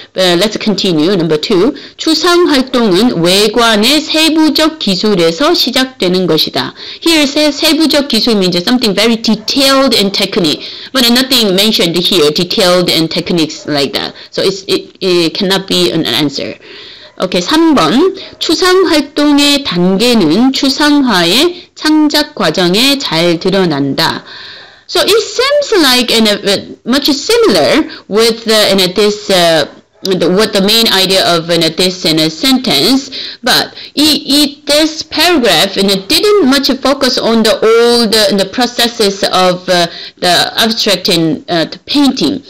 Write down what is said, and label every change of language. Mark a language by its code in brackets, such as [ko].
[en] Let's continue. Number two, [ko] 추상 활동은 외관의 세부적 기술에서 시작되는 것이다. [en] Here it says [ko] 세부적 기술 [en] means something very detailed and technique, but nothing mentioned here, detailed and techniques like that. So it cannot be an answer. Okay, [ko] 3번, 추상 활동의 단계는 추상화의 창작 과정에 잘 드러난다. [en] So it seems like in a much similar with the main idea of this in a sentence, but this paragraph didn't much focus on the old the processes of the abstracting the painting.